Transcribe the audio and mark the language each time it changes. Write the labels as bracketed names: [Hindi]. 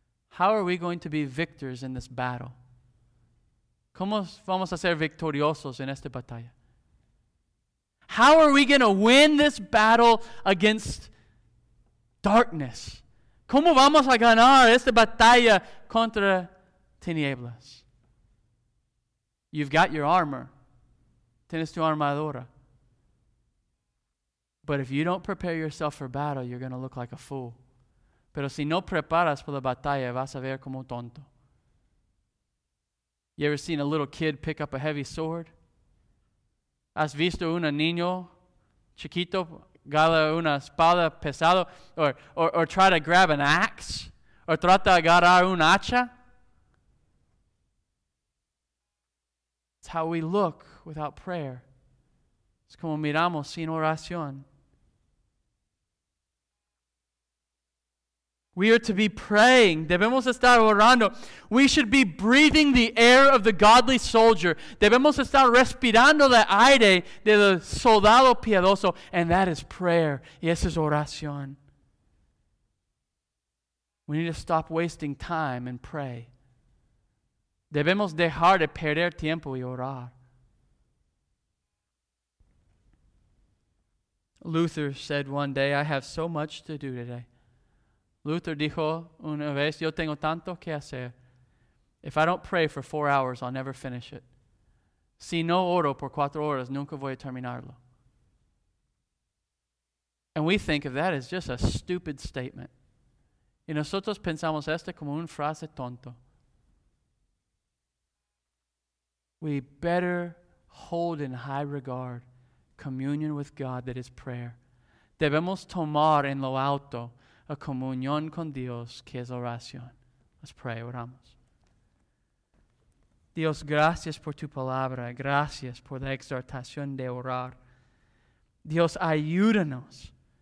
[English] How are we going to be victors in this battle? [Spanish] ¿Cómo vamos a ser victoriosos en esta batalla? [English] How are we going to win this battle against darkness? [Spanish] ¿Cómo vamos a ganar esta batalla contra tinieblas? [English] You've got your armor. [Spanish] Tienes tu armadura. [English] But if you don't prepare yourself for battle, you're going to look like a fool. [Spanish] Pero si no preparas para la batalla, vas a ver como tonto. [English] You ever seen a little kid pick up a heavy sword? [Spanish] ¿Has visto un niño chiquito agarrar una espada pesada? [English] Or try to grab an axe? Or [Spanish] trata de agarrar un hacha? [English] It's how we look without prayer. [Spanish] Es como miramos sin oración. [English] We are to be praying. [Spanish] Debemos estar orando. [English] We should be breathing the air of the godly soldier. [Spanish] Debemos estar respirando el aire del soldado piadoso. [English] And that is prayer. [Spanish] Y eso es oración. [English] We need to stop wasting time and pray. [Spanish] Debemos dejar de perder tiempo y orar. [English] Luther said one day, I have so much to do today. [Spanish] Luther dijo una vez, yo tengo tanto que hacer. [English] If I don't pray for 4 hours, I'll never finish it. [Spanish] Si no oro por 4 horas, nunca voy a terminarlo. [English] And we think of that as just a stupid statement. [Spanish] Y nosotros pensamos esto como una frase tonto. [English] We better hold in high regard communion with God that is prayer. [Spanish] Debemos tomar en lo alto a comunión con Dios, que es oración. [English] Let's pray, [Spanish] oramos. Dios, gracias por tu palabra. Gracias por la exhortación de orar. Dios, ayúdanos.